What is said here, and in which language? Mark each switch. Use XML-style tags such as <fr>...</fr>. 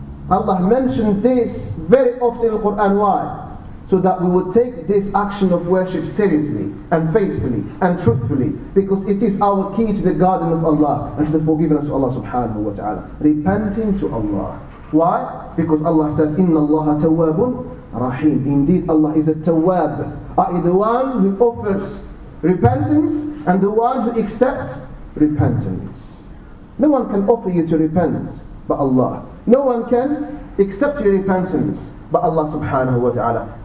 <en>Allah mentioned this very often in the Quran. Why? So that we would take this action of worship seriously, and faithfully, and truthfully, because it is our key to the garden of Allah, and to the forgiveness of Allah subhanahu wa ta'ala. Repenting to Allah. Why? Because Allah says,</en> <ar>إِنَّ اللَّهَ تَوَّابٌ رَحِيمٌ.</ar> <en>Indeed, Allah is a tawwab, i.e. the one who offers repentance, and the one who accepts repentance. No one can offer you to repent but Allah. No one can accept your repentance but Allah subhanahu wa ta'ala.</en>